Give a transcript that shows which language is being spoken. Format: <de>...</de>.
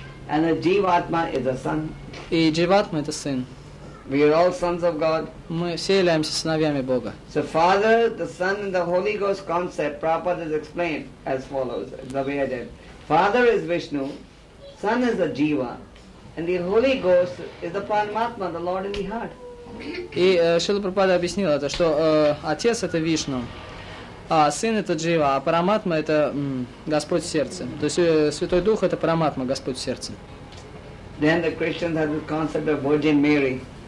<en>And the Jivatma is the Son.</en> <ru>И Jivatma это Сын.</ru> <en>We are all sons of God.</en> <ru>Мы все являемся сыновьями Бога.</ru> <en>So Father, the Son and the Holy Ghost concept Prabhupada has explained as follows, the way I did. Father is Vishnu, Son is the Jiva, and the Holy Ghost is the Paramatma, the Lord in the heart.</en> <ru>И Шрила Прабхупада объяснил это, что Отец это Вишну, А сын это джива, а параматма это Господь в сердце. То есть Святой Дух это параматма, Господь в сердце.</ru> <en>Then the Christians have the concept of Virgin Mary.</en>